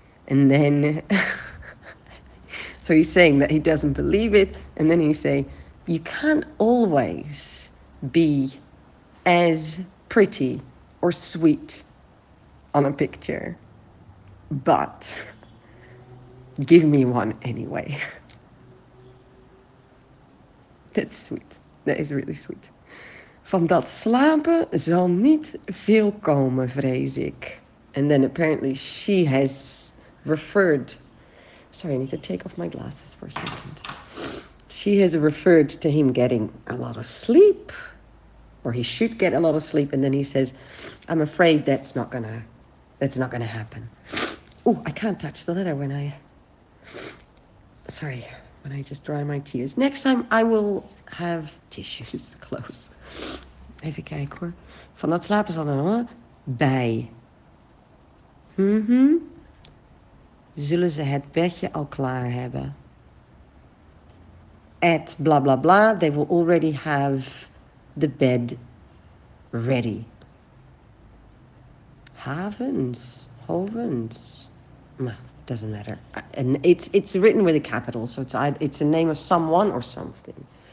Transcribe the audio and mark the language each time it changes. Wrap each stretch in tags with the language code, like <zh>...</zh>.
<en>And then so he's saying that he doesn't believe it, and then he say, you can't always be as pretty or sweet on a picture, but give me one anyway. That's sweet. That is really sweet.</en> <nl>Van dat slapen zal niet veel komen, vrees ik.</nl> <en>And then apparently she has referred. Sorry, I need to take off my glasses for a second. She has referred to him getting a lot of sleep. Or he should get a lot of sleep. And then he says, I'm afraid that's not gonna happen. Oh, I can't touch the letter when I just dry my tears. Next time I will have tissues close.</en> <nl>Even kijken hoor. Van dat slapen zal er nog bij. Zullen ze het bedje al klaar hebben?</nl> <en>At blah, blah, blah, they will already have the bed ready. Havens, hovens, doesn't matter. And it's written with a capital, so it's a name of someone or something.</en>